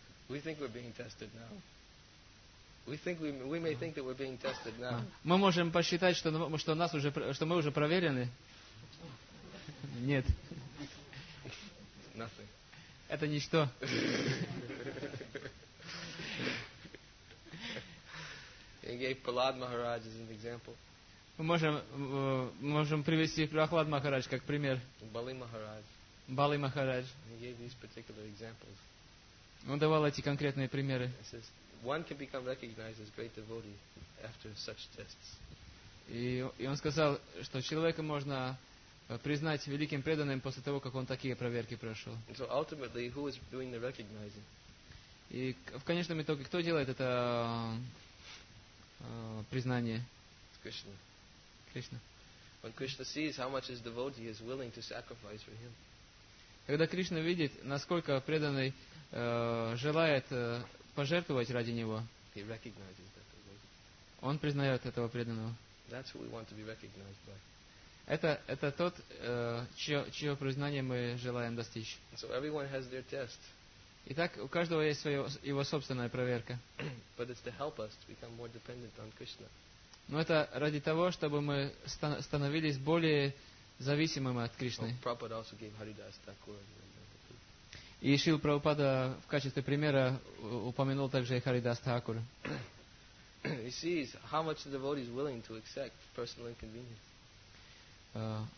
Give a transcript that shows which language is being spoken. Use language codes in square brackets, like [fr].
[en] We think we're being tested now. We may think that we're being tested now. [ru] Мы можем посчитать, что мы уже проверены. Нет. [en] Nothing. [ru] Это ничто. [en] He gave Prahlad Maharaj as an example. [ru] Мы можем привести Прахлад Махарадж как пример. Бали Махарадж. [en] He gave these particular examples. [ru] Он давал эти конкретные примеры. [en] He says, one can become recognized as great devotee after such tests. [ru] И он сказал, что человека можно признать великим преданным после того, как он такие проверки прошел. [en] So ultimately, who is doing the recognizing? [ru] И в конечном итоге, кто делает это признание? Кришна. [en] When Krishna sees how much his devotee is willing to sacrifice for him. [ru] Когда Кришна видит, насколько преданный желает пожертвовать ради него, [en] he recognizes that devotee. [ru] Он признает этого преданного. [en] That's who we want to be recognized by. [ru] Это тот, чье признание мы желаем достичь. [en] So everyone has their test. [ru] Итак, у каждого есть его собственная проверка. [en] But it's to help us to become more dependent on Krishna. [ru] Но это ради того, чтобы мы становились более зависимыми от Кришны. [en] Well, Prabhupada also gave Haridas Thakur. [ru] И Шрила Прабхупада в качестве примера упомянул также и Харидас Такур. [en] He sees how much the devotee is willing to accept personal inconvenience.